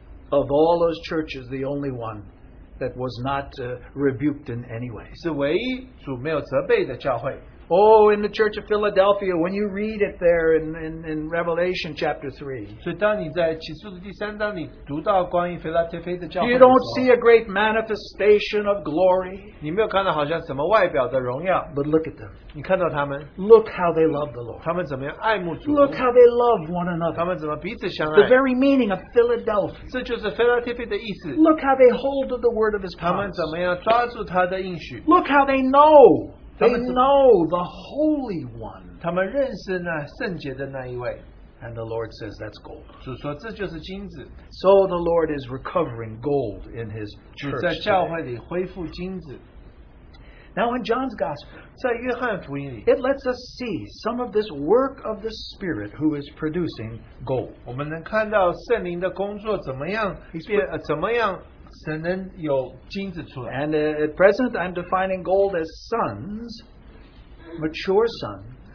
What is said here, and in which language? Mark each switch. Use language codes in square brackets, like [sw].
[en] Of all those churches, the only one that was not rebuked in any way. [zh] 是唯一主没有责备的教会. [en] Oh, in the church of Philadelphia, when you read it there in Revelation chapter 3, you don't see a great manifestation of glory. But look at them. [zh] 你看到他们, [en] look how they love the Lord. [zh] 他们怎么样爱慕主, [en] look how they love one another. The very meaning of Philadelphia. Look how they hold to the word of His promise. Look how they know. They know the Holy One. [zh] 他们认识那圣洁的那一位, [en] and the Lord says that's gold. [zh] 主说这就是金子. [en] So the Lord is recovering gold in His church. [zh] 主在教会里恢复金子. [en] Now in John's Gospel, [zh] 在约翰福音里, [en] it lets us see some of this work of the Spirit who is producing gold. [zh] 我们能看到圣灵的工作怎么样, [en] and at present, I'm defining gold as sons, mature sons.